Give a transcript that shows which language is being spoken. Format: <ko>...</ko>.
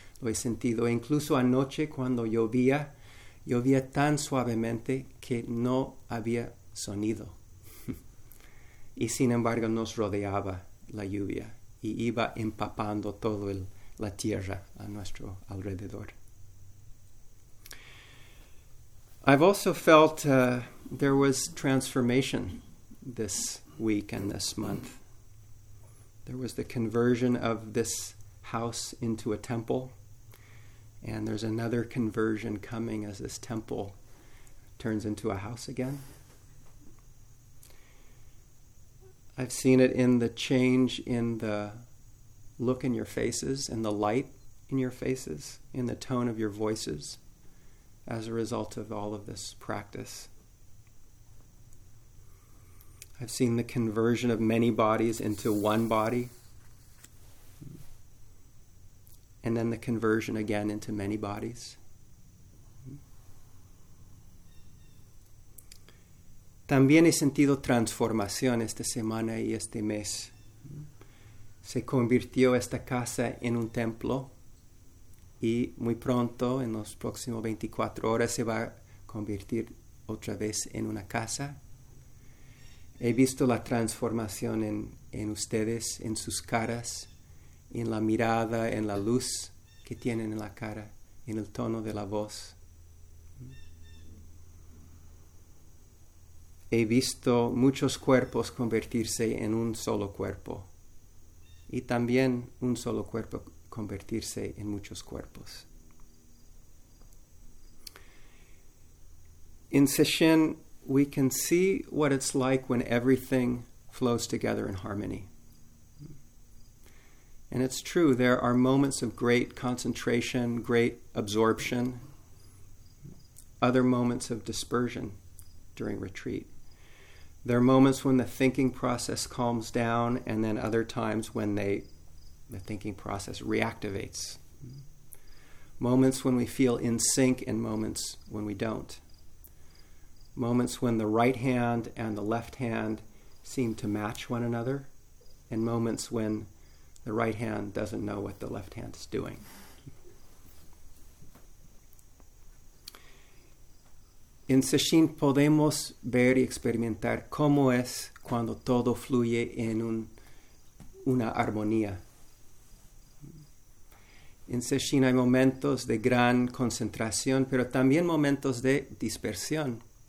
<es>Lo he sentido incluso anoche cuando llovía. Llovía tan suavemente que no había sonido. Y sin embargo nos rodeaba la lluvia y iba empapando toda la tierra a nuestro alrededor.</es> <en>I've also felt there was transformation this week and this month. There was the conversion of this house into a temple. And there's another conversion coming as this temple turns into a house again. I've seen it in the change in the look in your faces, in the light in your faces, in the tone of your voices as a result of all of this practice. I've seen the conversion of many bodies into one body. And then the conversion again into many bodies.</en> <es>También he sentido transformación esta semana y este mes. Se convirtió esta casa en un templo y muy pronto, en los próximos 24 horas, se va a convertir otra vez en una casa. He visto la transformación en ustedes, en sus caras, en la mirada, en la luz que tienen en la cara, en el tono de la voz. He visto muchos cuerpos convertirse en un solo cuerpo y también un solo cuerpo convertirse en muchos cuerpos.</es> <en>In Sesshin, we can see what it's like when everything flows together in harmony. And it's true, there are moments of great concentration, great absorption, other moments of dispersion during retreat. There are moments when the thinking process calms down, and then other times when the thinking process reactivates. Moments when we feel in sync and moments when we don't. Moments when the right hand and the left hand seem to match one another, and moments when the right hand doesn't know what the left hand is doing.</en> <es>En Sesshin podemos ver y experimentar cómo es cuando todo fluye en una armonía. En Sesshin hay momentos de gran concentración, pero también momentos de dispersión.</es>